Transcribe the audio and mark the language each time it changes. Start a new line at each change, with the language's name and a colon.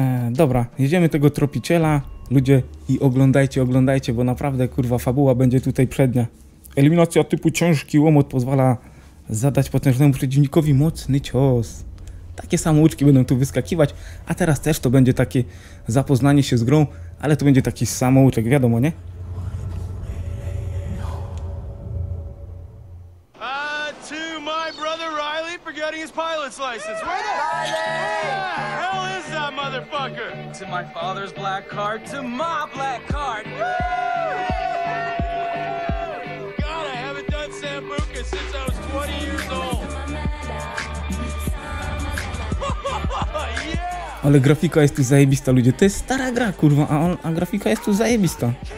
Polish: Dobra, jedziemy tego tropiciela, ludzie. I oglądajcie, bo naprawdę, kurwa, fabuła będzie tutaj przednia. Eliminacja typu ciężki łomot pozwala zadać potężnemu przeciwnikowi mocny cios. Takie samouczki będą tu wyskakiwać. A teraz też to będzie takie zapoznanie się z grą. Ale to będzie taki samouczek, wiadomo, nie?
English: To my brother Riley forgetting his pilot's license. Where the hell is that motherfucker? To my father's black card, to my black card. God, I haven't done Sambuca since I was 20 years old. Yeah.
Polish: Ale grafika jest tu zajebista, ludzie. To jest stara gra, kurwa, a grafika jest tu zajebista.